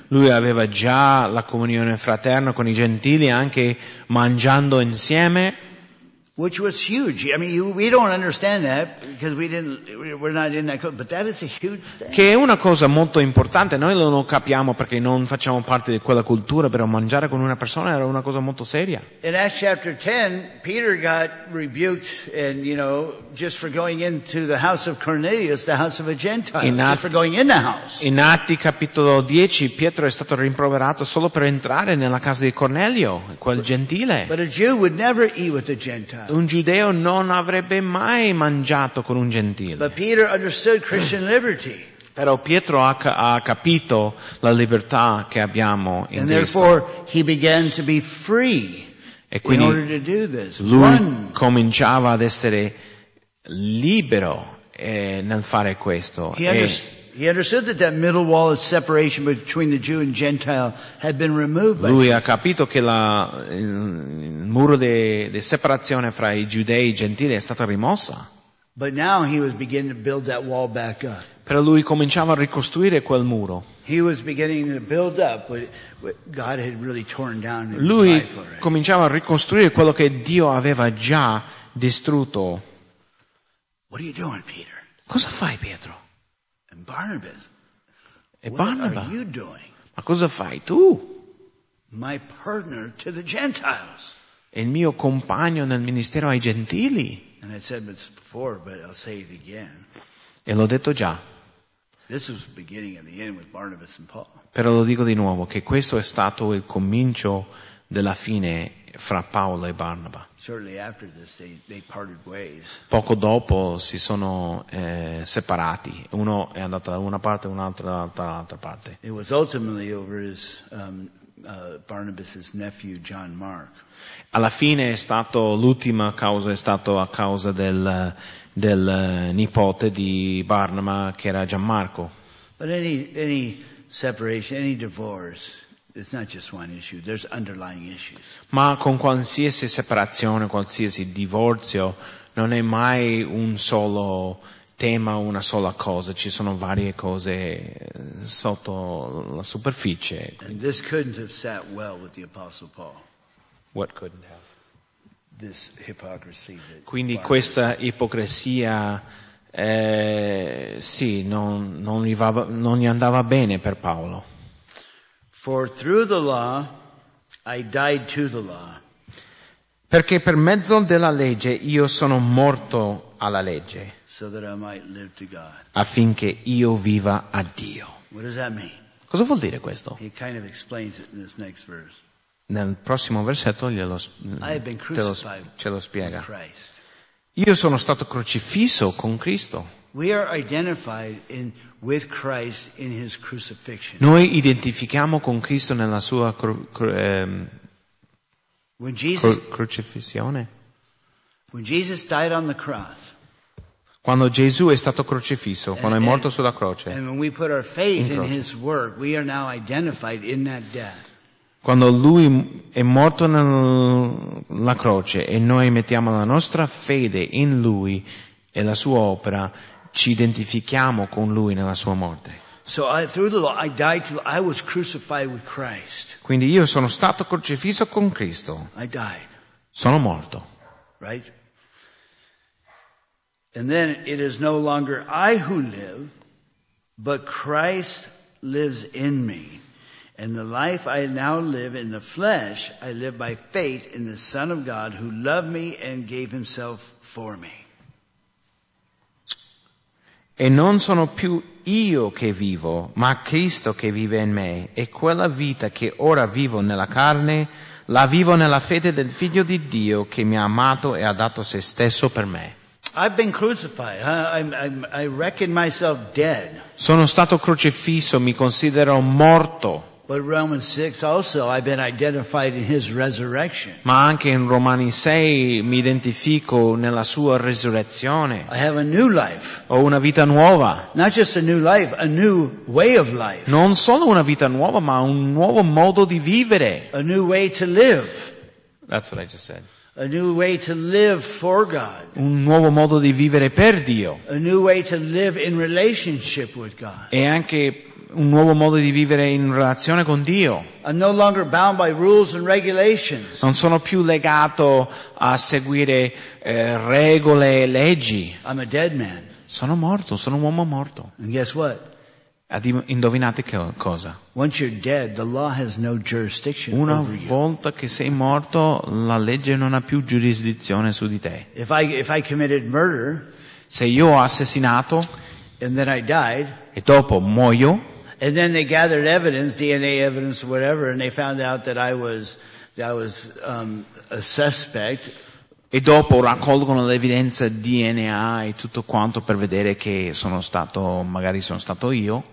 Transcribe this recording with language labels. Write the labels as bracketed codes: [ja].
[it] Lui aveva già la comunione fraterna con i gentili, anche mangiando insieme. [en] Which was huge. I mean, we don't understand that because we're not in that code, but that is a huge thing. [it] Che è una cosa molto importante. Noi lo non capiamo perché non facciamo parte di quella cultura, però mangiare con una persona era una cosa molto seria. [en] In Acts chapter 10, Peter got rebuked and, just for going into the house of Cornelius, the house of a Gentile, just for going in the house. [it] In Atti capitolo 10, Pietro è stato rimproverato solo per entrare nella casa di Cornelio, quel gentile. [en] But a Jew would never eat with a Gentile. [it] Un giudeo non avrebbe mai mangiato con un gentile. [en] But Peter understood Christian liberty. [it] Però Pietro ha capito la libertà che abbiamo in Cristo. [en] And therefore he began to be free. [it] E quindi [en] in order to do this. [it] Lui cominciava ad essere libero nel fare questo. [en] He understood that middle wall of separation between the Jew and Gentile had been removed. [it] Lui ha capito che il muro di separazione fra i giudei e i gentili è stata rimossa. [en] But now he was beginning to build that wall back up. [it] Però lui cominciava a ricostruire quel muro. [en] He was beginning to build up what God had really torn down. [it] Lui cominciava a ricostruire quello che Dio aveva già distrutto. [en] What are you doing, Peter? [it] Cosa fai, Pietro? [en] Barnabas, [it] e Barnabas, [en] what are you doing? [it] Ma cosa fai tu? [en] My partner to the Gentiles. [it] Il mio compagno nel ministero ai gentili. [en] And I said this before, but I'll say it again. [it] E l'ho detto già. [en] This was the beginning and the end with Barnabas and Paul. [it] Però lo dico di nuovo che questo è stato il comincio della fine fra Paolo e Barnaba. [en] Shortly after this, they parted ways. [it] Poco dopo si sono separati. Uno è andato da una parte, un altro dall'altra parte. [en] It was ultimately over his Barnabas's nephew John Mark. [it] Alla fine è stato l'ultima causa, è stato a causa del nipote di Barnaba che era Gianmarco. [en] But any separation, any divorce, it's not just one issue. There's underlying issues. [it] Ma con qualsiasi separazione, qualsiasi divorzio, non è mai un solo tema, una sola cosa. Ci sono varie cose sotto la superficie. [en] And this couldn't have sat well with the Apostle Paul. What couldn't have? This hypocrisy. [it] Quindi questa ipocrisia, non gli andava bene per Paolo. [en] For through the law, I died to the law. [it] Perché per mezzo della legge io sono morto alla legge. [en] So that I might live to God. [it] Affinché io viva a Dio. [en] What does that mean? [it] Cosa vuol dire questo? [en] He kind of explains it in this next verse. [it] Nel prossimo versetto ce lo spiega. [en] Christ. [it] Io sono stato crocifisso con Cristo. [en] We are identified with Christ in his crucifixion. [it] Noi identifichiamo con Cristo nella sua crocifissione. [en] When Jesus died on the cross. [it] Quando Gesù è stato crocifisso, quando è morto sulla croce. [en] And when we put our faith in his work, we are now identified in that death. [it] Quando lui è morto nella croce e noi mettiamo la nostra fede in lui e la sua opera, ci identifichiamo con lui nella sua morte. [en] So I, through the law, I died to, I was crucified with Christ. [it] Quindi io sono stato crocifisso con Cristo. [en] I died. [it] Sono morto. [en] Right? And then it is no longer I who live, but Christ lives in me. And the life I now live in the flesh, I live by faith in the Son of God who loved me and gave himself for me. [it] E non sono più io che vivo, ma Cristo che vive in me. E quella vita che ora vivo nella carne, la vivo nella fede del Figlio di Dio che mi ha amato e ha dato se stesso per me. [en] I've been crucified. I reckon myself dead. [it] Sono stato crocifisso, mi considero morto. [en] But Romans 6 also, I've been identified in his resurrection. [it] Ma anche in Romani 6 mi identifico nella sua resurrezione. [en] I have a new life. [it] Ho una vita nuova. [en] Not just a new life, a new way of life. [it] Non solo una vita nuova, ma un nuovo modo di vivere. [en] A new way to live. That's what I just said. A new way to live for God. [it] Un nuovo modo di vivere per Dio. [en] A new way to live in relationship with God. [it] E anche un nuovo modo di vivere in relazione con Dio. [en] I'm no longer bound by rules and regulations. [it] Non sono più legato a seguire regole e leggi. [en] I'm a dead man. [it] Sono morto, sono un uomo morto. [en] And guess what? [it] Indovinate che cosa? [en] Once you're dead, the law has no jurisdiction [it] una [en] over you. [it] Una volta che sei morto, la legge non ha più giurisdizione su di te. [en] If I committed murder, [it] se io ho assassinato, [en] and then I died, [it] e dopo muoio, [en] and then they gathered evidence, DNA evidence, whatever, and they found out that I was a suspect. [it] E dopo raccolgono l'evidenza DNA e tutto quanto per vedere che sono stato, magari sono stato io.